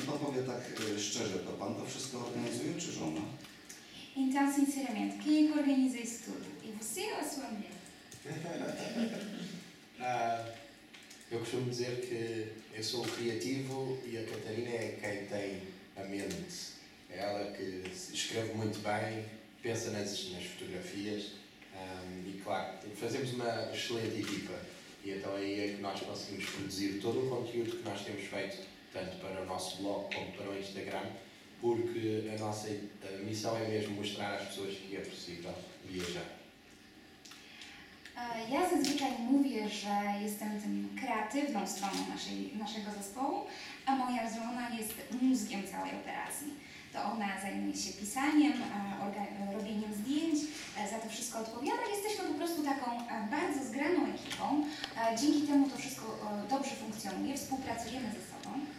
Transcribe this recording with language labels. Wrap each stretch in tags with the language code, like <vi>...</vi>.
<pl>Pan powie tak szczerze, to Pan to wszystko organizuje, czy żona?</pl> <pt>Então, sinceramente, quem é que organiza isso tudo? E você ou a sua mulher? Eu costumo dizer que eu sou o criativo e a Catarina é quem tem a mente. É ela que escreve muito bem, pensa nas fotografias. E claro, fazemos uma excelente equipa e então aí é que nós conseguimos produzir todo o conteúdo que nós temos feito, tanto para o nosso blog como para o Instagram, porque a nossa missão é mesmo mostrar às pessoas que é possível viajar.</pt> <pl>Ja zazwyczaj mówię, że jestem tym kreatywną stroną naszego zespołu, a moja żona jest mózgiem całej operacji. To ona zajmuje się pisaniem, robieniem zdjęć, za to wszystko odpowiada. Jesteśmy po prostu taką bardzo zgraną ekipą. Dzięki temu to wszystko dobrze funkcjonuje, współpracujemy ze sobą.</pl>